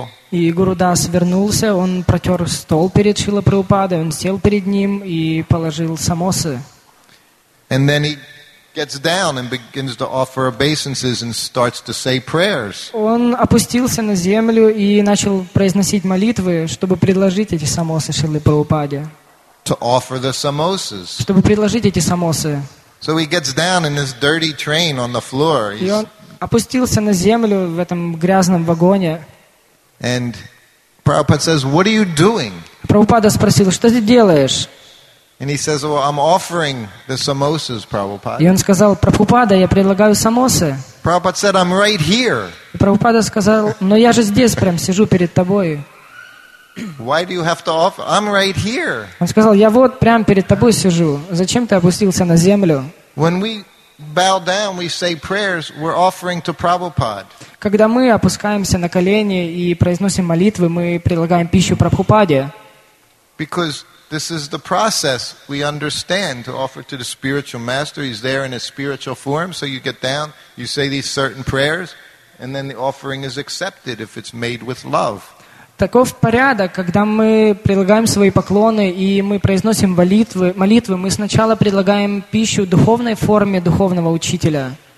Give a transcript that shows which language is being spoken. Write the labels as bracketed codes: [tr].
[ru] И Гурудас вернулся, он протер стол перед Шрила Прабхупадой, он сел перед ним и положил самосы. [en] And then he gets down and begins to offer obeisances and starts to say prayers. [ru] Он опустился на землю и начал произносить молитвы, чтобы предложить эти самосы Шриле Прабхупаде. [en] To offer the samosas. [ru] Чтобы предложить эти самосы. [en] So he gets down in his dirty train on the floor. [ru] И он опустился на землю в этом грязном вагоне. [en] And Prabhupada says, "What are you doing?" [ru] Прабхупада спросил, что ты делаешь? [en] And he says, "Well, I'm offering the samosas, Prabhupada." [ru] И он сказал, Прабхупада, я предлагаю самосы. [en] Prabhupada said, "I'm right here." [ru] Прабхупада сказал, но я же здесь прям сижу перед тобой. [en] Why do you have to offer? I'm right here. [ru] Он сказал, я вот прям перед тобой сижу. Зачем ты опустился на землю? [en] When we bow down, we say prayers. We're offering to Prabhupada. [ru] Когда мы опускаемся на колени и произносим молитвы, мы предлагаем пищу Прабхупаде. [en] Because this is the process we understand to offer to the spiritual master. He's there in his spiritual form, so you get down, you say these certain prayers, and then the offering is accepted if it's made with love. [ru] Таков порядок, когда мы предлагаем свои поклоны и мы произносим молитвы, мы сначала предлагаем пищу в духовной форме духовного учителя.